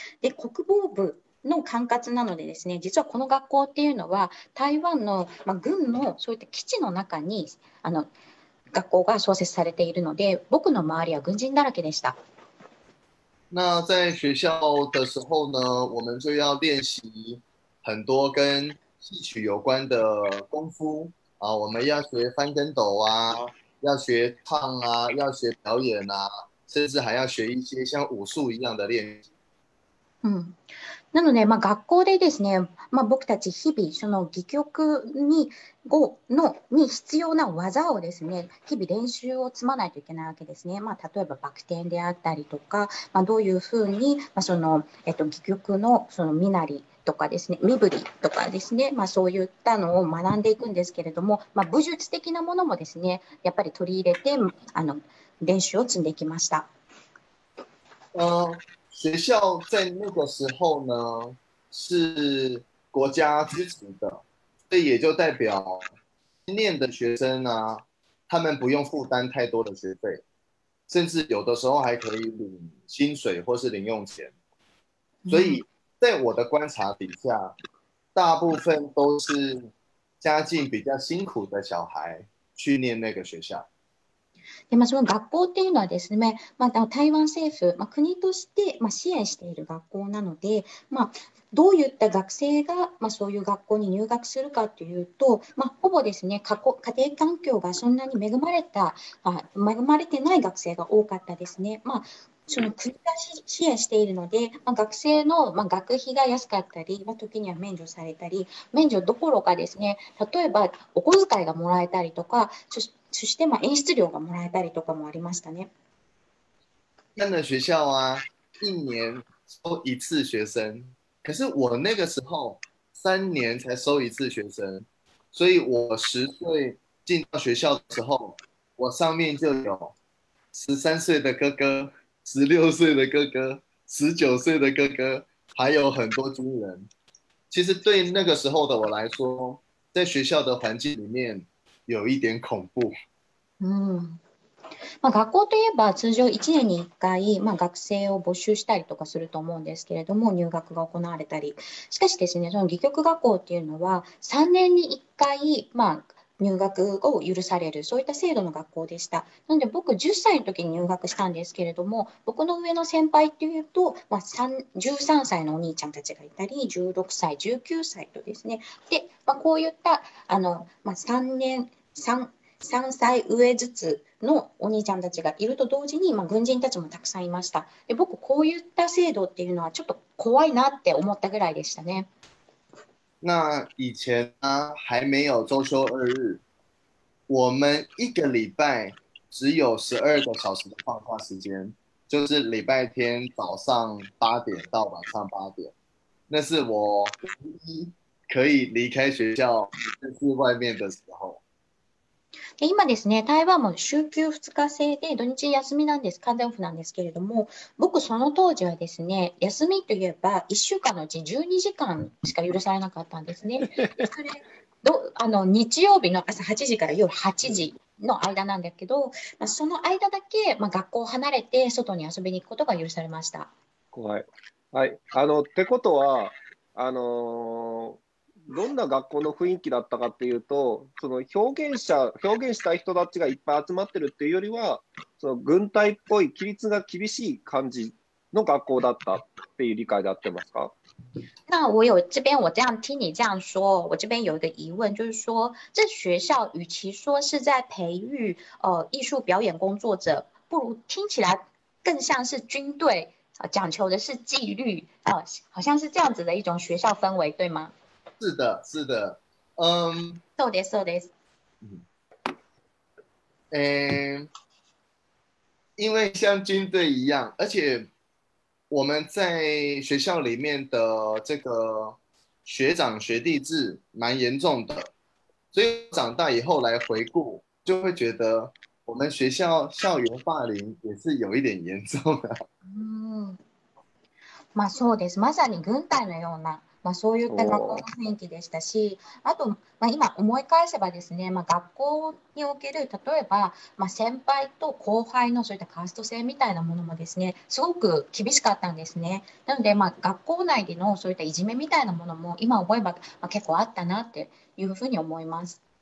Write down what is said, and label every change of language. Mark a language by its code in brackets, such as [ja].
[ja] で、国防部の管轄なのでですね、実はこの学校っていうのは台湾の、まあ、軍のそういった基地の中に学校が創設されているので、僕の周りは軍人だらけでした。 [zh] 那在学校的时候呢、我们就要练习很多跟戏曲有关的功夫、啊、我们要学翻跟斗啊、要学唱啊、要学表演啊、甚至还要学一些像武术一样的练习。 [ja] 嗯，なので、まあ、学校でですね、まあ、僕たち日々その戯曲 に必要な技をですね、日々練習を積まないといけないわけですね。まあ、例えばバク転であったりとか、まあ、どういうふうに、まあ、その戯曲 その身なりとかですね、身振りとかですね、まあ、そういったのを学んでいくんですけれども、まあ、武術的なものもですね、やっぱり取り入れて練習を積んでいきました。 [zh] 学校在那个时候呢是国家支持的，这也就代表念的学生呢、啊、他们不用负担太多的学费，甚至有的时候还可以领薪水或是零用钱。所以在我的观察底下，大部分都是家境比较辛苦的小孩去念那个学校。 [ja] でまあ、その学校っていうのはですね、まあ、台湾政府、まあ、国として、まあ、支援している学校なので、まあ、どういった学生が、まあ、そういう学校に入学するかというと、まあ、ほぼですね、家庭環境がそんなに恵まれた、まあ、恵まれてない学生が多かったですね。まあ、その国が支援しているので、まあ、学生の、まあ、学費が安かったり、まあ、時には免除されたり、免除どころかですね、例えばお小遣いがもらえたりとか、そして、まあ、演出料がもらえたりとかもありましたね。 [zh] 那 [ja] の学校は [zh] 一年收一次学生、可是我那个时候三年才收一次学生、所以我十岁进到学校的时候，我上面就有13岁的哥哥、16岁的哥哥、19岁的哥哥，还有很多军人。其实对那个时候的我来说，在学校的环境里面有一点恐怖。 [ja] まあ、学校といえば通常1年に1回、まあ、学生を募集したりとかすると思うんですけれども、入学が行われたり、しかしですね、その戯曲学校っていうのは3年に1回、まあ、入学を許される、そういった制度の学校でした。なので僕10歳の時に入学したんですけれども、僕の上の先輩っていうと、まあ、13歳のお兄ちゃんたちがいたり、16歳、19歳とですね、で、まあ、こういったまあ、3歳上ずつのお兄ちゃんたちがいると同時に、まあ、軍人たちもたくさんいました。で、僕こういった制度っていうのはちょっと怖いなって思ったぐらいでしたね。 [zh] 那以前呢，还没有周休二日，我们一个礼拜只有12个小时的放假时间，就是礼拜天早上8点到晚上8点，那是我唯一可以离开学校就是外面的时候。 [ja] で今ですね、台湾も週休2日制で土日休みなんです、完全オフなんですけれども、僕その当時はですね、休みといえば1週間のうち12時間しか許されなかったんですね。それど日曜日の朝8時から夜8時の間なんだけど、まあ、その間だけ、まあ、学校を離れて外に遊びに行くことが許されました。怖い。はい、ってことはどんな学校の雰囲気だったかっていうと、その表現したい人たちがいっぱい集まってるっていうよりは、その軍隊っぽい規律が厳しい感じの学校だったっていう理解であってますか？ [zh] 那我有这边，我这样听你这样说，我这边有一个疑问，就是说这学校与其说是在培育艺术表演工作者，不如听起来更像是军队，讲求的是纪律，好像是这样子的一种学校氛围，对吗？是的，是的， [ja] そうです、そうです。 [zh] 因为像军队一样，而且我们在学校里面的这个学长学弟制蛮严重的，所以长大以后来回顾，就会觉得我们学校校园霸凌也是有一点严重的。 [ja] まあそうです。まさに軍隊のような。まあ、そういった学校の雰囲気でしたし、あと、まあ、今思い返せばですね、まあ、学校における例えば、まあ、先輩と後輩のそういったカースト制みたいなものもですね、すごく厳しかったんですね。なので、まあ、学校内でのそういったいじめみたいなものも今思えば、まあ、結構あったなっていうふうに思います。